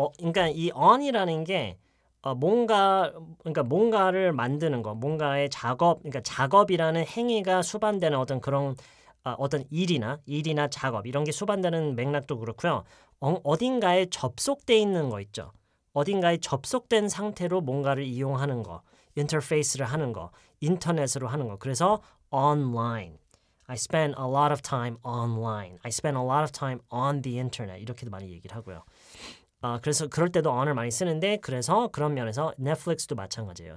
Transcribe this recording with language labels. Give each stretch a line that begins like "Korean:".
Korean: 그러니까 이 on이라는 게 뭔가를 만드는 거, 뭔가의 작업, 그러니까 작업이라는 행위가 수반되는 어떤 그런 어떤 일이나 작업 이런 게 수반되는 맥락도 그렇고요. 어딘가에 접속돼 있는 거 있죠. 어딘가에 접속된 상태로 뭔가를 이용하는 거, 인터페이스를 하는 거, 인터넷으로 하는 거. 그래서
English: online. I spend a lot of time online. I spend a lot of time on the internet.
Korean: 이렇게도 많이 얘기를 하고요. 그래서 그럴 때도 on을 많이 쓰는데 그래서 그런 면에서 넷플릭스도 마찬가지예요.